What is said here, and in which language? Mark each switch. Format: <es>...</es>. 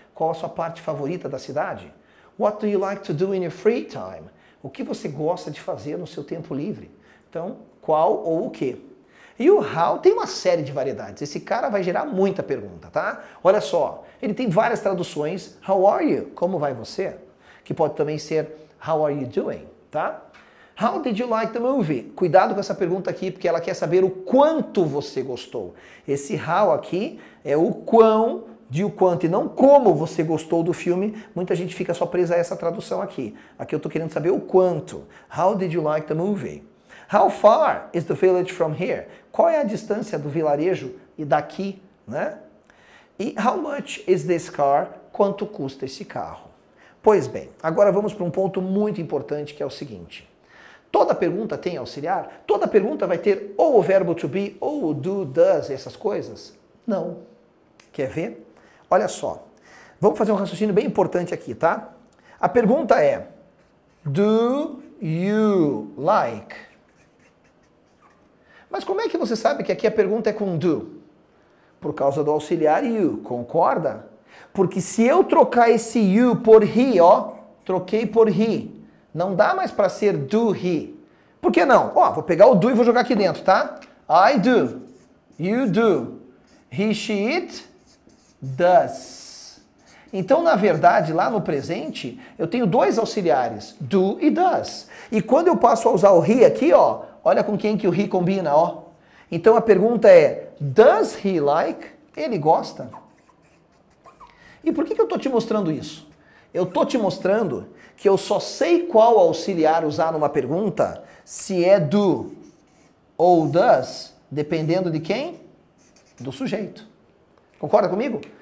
<pt>Qual a sua parte favorita da cidade?</pt> <en>What do you like to do in your free time?</en> <pt>O que você gosta de fazer no seu tempo livre? Então, qual ou o quê? E o how tem uma série de variedades. Esse cara vai gerar muita pergunta, tá? Olha só, ele tem várias traduções.</pt> <en>How are you?</en> <pt>Como vai você? Que pode também ser</pt> <en>how are you doing,</en> <pt>tá?</pt> <en>How did you like the movie?</en> <pt>Cuidado com essa pergunta aqui, porque ela quer saber o quanto você gostou. Esse how aqui é o quão de o quanto e não como você gostou do filme. Muita gente fica só presa a essa tradução aqui. Aqui eu tô querendo saber o quanto.</pt> <en>How did you like the movie? How far is the village from here?</en> <pt>Qual é a distância do vilarejo e daqui, né?</pt> <en>E how much is this car?</en> <pt>Quanto custa esse carro? Pois bem, agora vamos para um ponto muito importante, que é o seguinte. Toda pergunta tem auxiliar? Toda pergunta vai ter ou o verbo to be, ou o do, does, essas coisas? Não. Quer ver? Olha só, vamos fazer um raciocínio bem importante aqui, tá? A pergunta é,</pt> <en>do you like?</en> <pt>Mas como é que você sabe que aqui a pergunta é com do? Por causa do auxiliar you, concorda? Porque se eu trocar esse you por he, ó, troquei por he, não dá mais para ser do he. Por que não? Ó, vou pegar o do e vou jogar aqui dentro, tá? I do, you do, he, she, it... Does. Então, na verdade, lá no presente, eu tenho dois auxiliares, do e does. E quando eu passo a usar o he aqui, ó, olha com quem que o he combina, ó. Então a pergunta é,</pt> <en>does he like?</en> <pt>Ele gosta? E por que que eu tô te mostrando isso? Eu tô te mostrando que eu só sei qual auxiliar usar numa pergunta se é do ou does, dependendo de quem? Do sujeito. Concorda comigo?</pt>